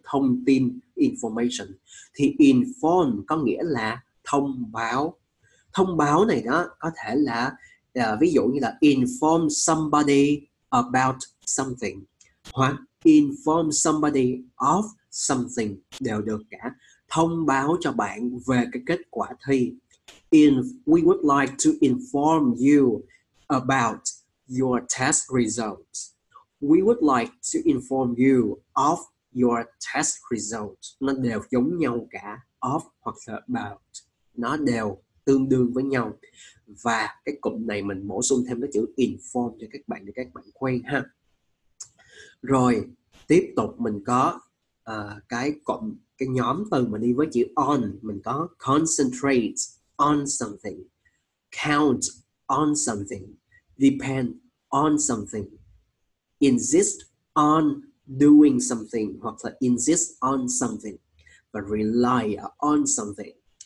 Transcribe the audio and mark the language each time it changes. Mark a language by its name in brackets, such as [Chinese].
[Vietnamese] Thông tin, information. Thì inform có nghĩa là thông báo. Thông báo này đó có thể là ví dụ như là [English] inform somebody about something [Vietnamese] hoặc [English] inform somebody of something [Vietnamese] đều được cả. Thông báo cho bạn về cái kết quả thi. [English] We would like to inform you about your test results. We would like to inform you of your test results. [Vietnamese] Nó đều giống nhau cả, of hoặc là about, nó đều tương đương với nhau. Và cái cụm này mình bổ sung thêm cái chữ inform cho các bạn để các bạn quen ha. Rồi tiếp tục mình có cái cụm, cái nhóm từ mà đi với chữ on, mình có [English] concentrate on something, count on something, [Vietnamese] depend on something, insist on doing something hoặc là insist on something và rely on something.